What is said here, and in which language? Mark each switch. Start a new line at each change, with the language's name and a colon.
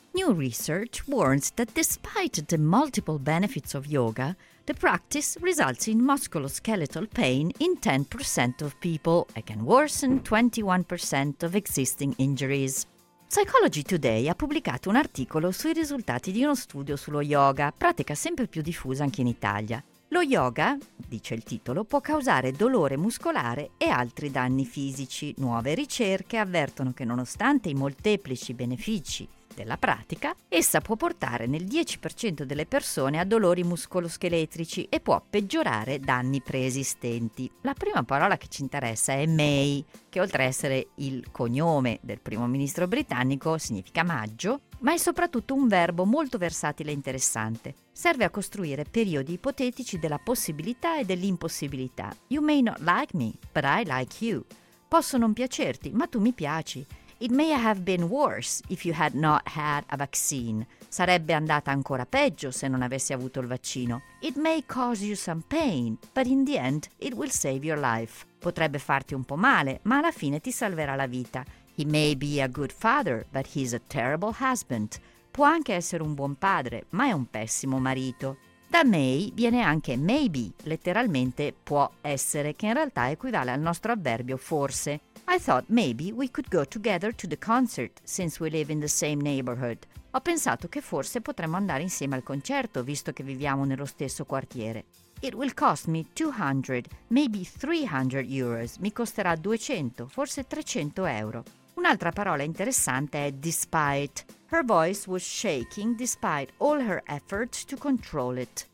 English: New research warns that despite the multiple benefits of yoga, the practice results in musculoskeletal pain in 10% of people and can worsen 21% of existing injuries.
Italian: Psychology Today ha pubblicato un articolo sui risultati di uno studio sullo yoga, pratica sempre più diffusa anche in Italia. Lo yoga, dice il titolo, può causare dolore muscolare e altri danni fisici. Nuove ricerche avvertono che nonostante i molteplici benefici della pratica, essa può portare nel 10% delle persone a dolori muscoloscheletrici e può peggiorare danni preesistenti. La prima parola che ci interessa è May, che oltre a essere il cognome del primo ministro britannico significa maggio, ma è soprattutto un verbo molto versatile e interessante. Serve a costruire periodi ipotetici della possibilità e dell'impossibilità.
English: You may not like me, but I like you.
Italian: Posso non piacerti, ma tu mi piaci.
English: It may have been worse if you had not had a vaccine.
Italian: Sarebbe andata ancora peggio se non avessi avuto il vaccino.
English: It may cause you some pain, but in the end it will save your life.
Italian: Potrebbe farti un po' male, ma alla fine ti salverà la vita.
English: He may be a good father, but he's a terrible husband.
Italian: Può anche essere un buon padre, ma è un pessimo marito. Da may viene anche maybe, letteralmente può essere, che in realtà equivale al nostro avverbio forse.
English: I thought maybe we could go together to the concert since we live in the same neighborhood.
Italian: Ho pensato che forse potremmo andare insieme al concerto visto che viviamo nello stesso quartiere.
English: It will cost me 200, maybe 300 euros.
Italian: Mi costerà 200, forse 300 euro. Un'altra parola interessante è despite.
English: Her voice was shaking despite all her efforts to control it.